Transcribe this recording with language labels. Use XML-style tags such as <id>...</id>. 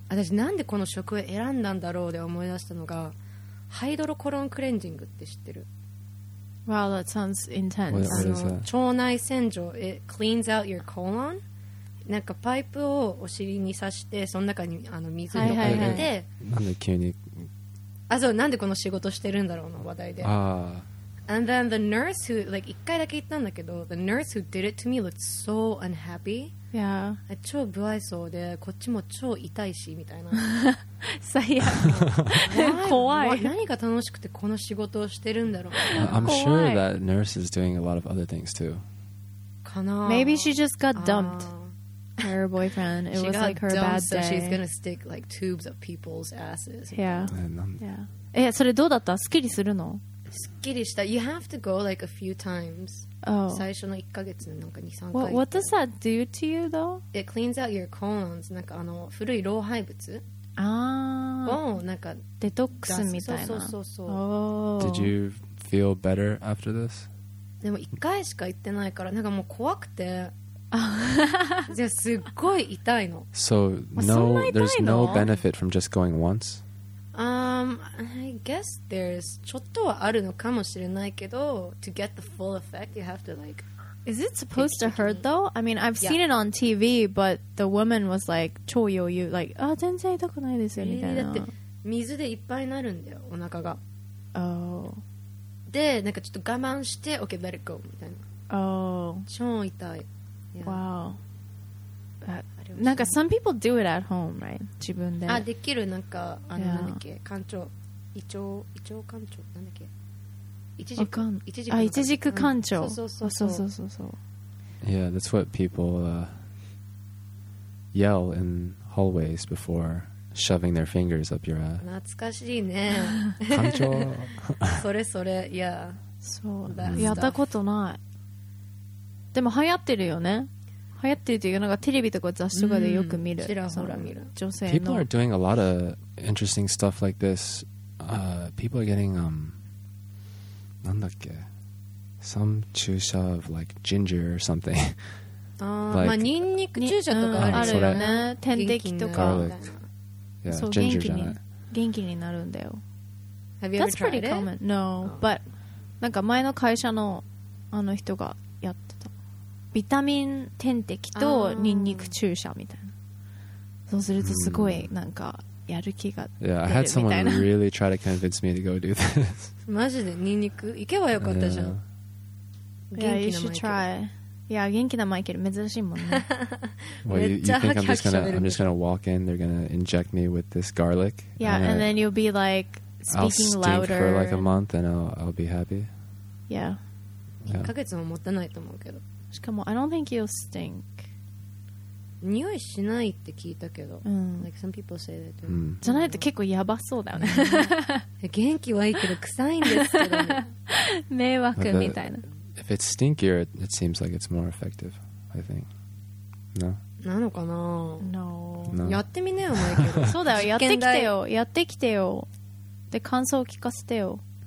<ja>私なんでこの職を選んだんだろうで思い出したのが、ハイドロコロンクレンジングって知ってる？</ja> <en>Wow, that sounds intense. What is that? 腸内洗浄。 It cleans out your colon.</en> <ja>なんかパイプをお尻に刺して、その中にあの水を入れて。なんで急に。あ、そう、なんでこの仕事してるんだろうの話題で。</ja> <en>And then the nurse who, like,</en> <ja>一回だけ言ったんだけど、</ja> <en>the nurse who did it to me looked so unhappy. Yeah.</en> <ja>超不愛想で、こっちも超痛いし、みたいな。最悪。怖い。何が楽しくてこの仕事をしてるんだろう。</ja> <en>I'm sure that nurse is doing a lot of other things too.</en> <ja>かな。</ja> <en>Maybe she just got dumped. Her boyfriend. It was like her bad day. So she's gonna stick, like, tubes up people's asses. Yeah. Yeah.</en> <ja>それどうだった？すっきりするの？すっきりした。</ja> <en>You have to go like a few times. Oh.</en> <ja>最初の1ヶ月でなんか2、3回。</ja> <en>What does that do to you though? It cleans out your colons.</en> <ja>なんかあの古い老廃物。ああ。なんかデトックスみたいな。そうそうそう。</ja> <en>Oh. Did you feel better after this?</en> <ja>でも1回しか行ってないから、なんかもう怖くて。じゃあすっごい痛いの。</ja> <en>So no, there's no benefit from just going once? I guess there's</en> <ja>ちょっとはあるのかもしれないけど、</ja> <en>to get the full effect you have to like, is it supposed to hurt though? I mean I've seen it on TV, but the woman was like</en> <ja>超余裕、</ja> <en>like</en> <ja>あ全然痛くないですよみたいな。だって水でいっぱいなるんだよお腹が。</ja> <en>oh.</en> <ja>でなんかちょっと我慢して</ja> <en>OK let it go</en> <ja>みたいな。</ja> <en>oh.</en> <ja>超痛い、</ja> <en>yeah. wow、that-なんか some people do it at home, right?</en> <ja>自分で。あ、できる。なんか、あの、yeah. なんだっけ、肝臓、胃腸肝臓、なんだっけ、一軸肝臓。そうそうそう。</ja> <en>Yeah, that's what people、yell in hallways before shoving their fingers up your ass.</en> <ja>懐かしいね。肝臓それそれ、いや。そう、やったことない。でも流行ってるよね。流行ってるというのがテレビとか雑誌とかでよく見る、ちらほら見る女性の。</ja> <en>People are doing a lot of interesting stuff like this. People are getting</en> <ja>なんだっけ、</ja> <en>some 注射 of like ginger or something.</en> <ja>like, まあニンニク注射とか、うん、あるよね、天敵とか。</ja> <en>Garlic. Yeah, ginger</en> <ja>じゃない、元気になるんだよ。</ja> <en>Have you ever tried it? Common. No, but</en> <ja>なんか前の会社のあの人がやってた。ビタミン点滴とニンニク注射みたいな。そうするとすごいなんかやる気が出るみたいな。</ja> <en>Yeah, I had someone really try to convince me to go do this.</en> <ja>マジでニンニク行けばよかったじゃん。 Yeah. 元気なマイケル。Yeah, yeah, 元気なマイケル珍しいもんね。</ja> <en>well, you think I'm just gonna walk in? They're gonna inject me with this garlic? Yeah, and then you'll be like speaking louder. I'll stink for like a month and I'll be happy. Yeah.</en> <ja>1ヶ月も持たないと思うけど。</ja> <en>しかも I don't think you'll stink。</en> <ja>匂いしないって聞いたけど、うん、</ja> <en>like some people say that、</en> <ja>うん、じゃないと結構やばそうだよね。元気はいいけど臭いんですけど、ね、迷惑みたいな。</ja> <en>If it's stinkier it seems like it's more effective I think、no?</en> <ja>なのかな、</ja> <en>no. No.</en> <ja>やってみなよマイケル。そうだよ、やってきてよ、やってきてよ、で感想を聞かせてよ。</ja>